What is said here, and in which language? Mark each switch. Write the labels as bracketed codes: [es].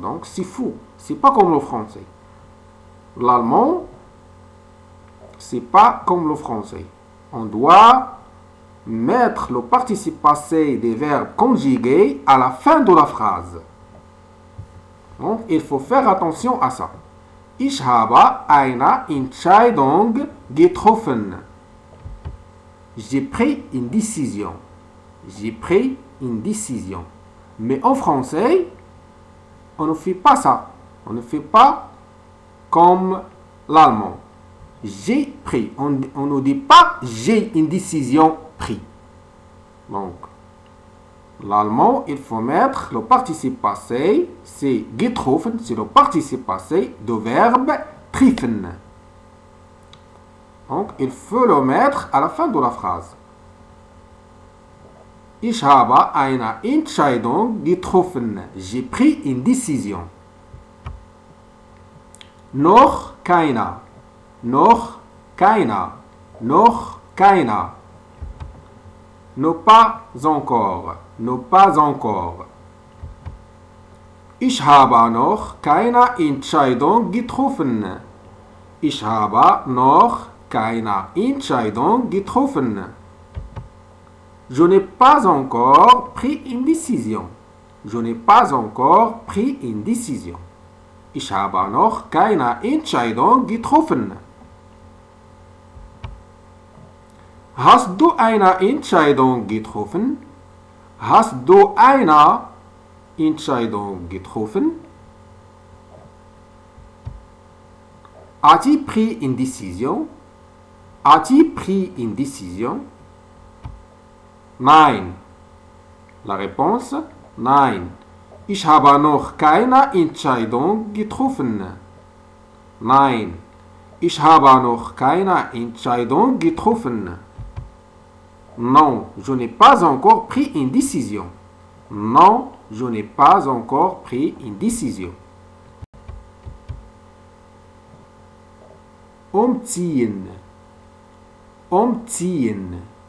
[fr] Donc, c'est fou. Ce n'est pas comme le français. L'allemand, ce n'est pas comme le français. On doit mettre le participe passé des verbes conjugués à la fin de la phrase. Donc, il faut faire attention à ça. [de] Ich habe eine Entscheidung getroffen. [fr] J'ai pris une décision. J'ai pris une décision. Mais en français, on ne fait pas ça. On ne fait pas comme l'allemand. J'ai pris. On ne dit pas j'ai une décision prise. Donc, l'allemand, il faut mettre le participe passé, c'est getroffen, c'est le participe passé du verbe treffen. Donc, il faut le mettre à la fin de la phrase. [de] Ich habe eine Entscheidung getroffen. [fr] J'ai pris une décision. [de] Noch keiner. Noch keiner. Noch keiner. [fr] Ne pas encore. Ne pas encore. [de] Ich habe noch keine Entscheidung getroffen. Ich habe noch keine Entscheidung getroffen. [fr] Je n'ai pas encore pris une décision. Je n'ai pas encore pris une décision. [de] Ich habe noch keine Entscheidung getroffen. Hast du eine Entscheidung getroffen? Hast du eine Entscheidung getroffen? [fr] As-tu pris une décision? As-tu pris une décision? [de] Nein. [fr] La réponse, nein. [de] Ich habe noch keine Entscheidung getroffen. Nein. Ich habe noch keine Entscheidung getroffen. [fr] Non, je n'ai pas encore pris une décision. Non, je n'ai pas encore pris une décision. [de] Umziehen. Umziehen.